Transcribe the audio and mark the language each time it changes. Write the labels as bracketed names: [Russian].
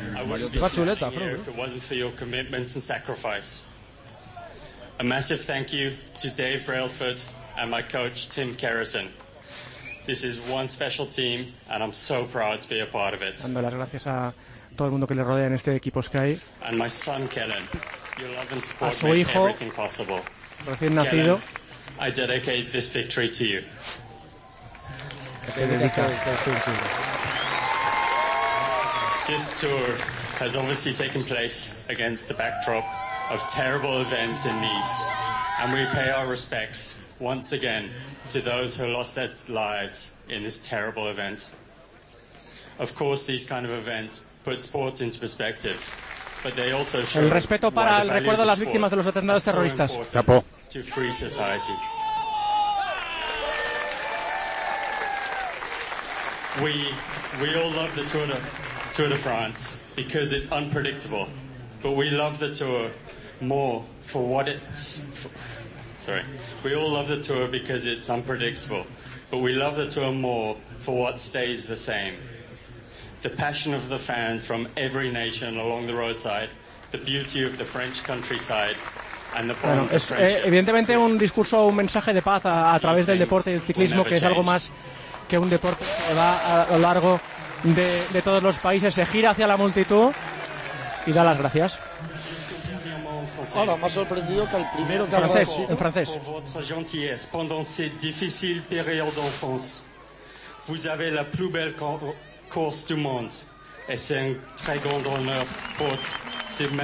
[English] If it wasn't for your commitment and sacrifice. A massive thank you to Dave Brailsford and my coach Tim Kerrison. This is one special team and I'm so proud to be a part of it. [Spanish] Dando las gracias a todo el mundo que le rodea en este equipo Sky. [English] And my son Kellen, your love and support make everything possible. [Spanish] Recién nacido. [English] I dedicate this victory to you. This tour has obviously taken place against the backdrop of terrible events in Nice, and we pay our respects once again to those who lost their lives in this terrible event. Of course, these kind of events put sport into perspective, but they also show [Spanish] el respeto para el recuerdo de las víctimas de los atentados terroristas. Chapo. [English] To free society. We all love the Tour de France because it's unpredictable, but we love the tour more for what it's we all love the tour because it's unpredictable, but we love the tour more for what stays the same: the passion of the fans from every nation along the roadside, the beauty of the French countryside, and the bonds of friendship. [Spanish] Bueno, evidentemente un discurso, un mensaje de paz a través del deporte y el ciclismo, que es algo más que un deporte, que va a lo largo de todos los países. Se gira hacia la multitud y da las gracias. Ahora, me ha sorprendido que el primero que francés, ha en francés. Por vuestra gentileza, [French] pendant cette difficile période en France, vous avez la plus belle course du monde. Et c'est un très grand honneur pour ce magnifique.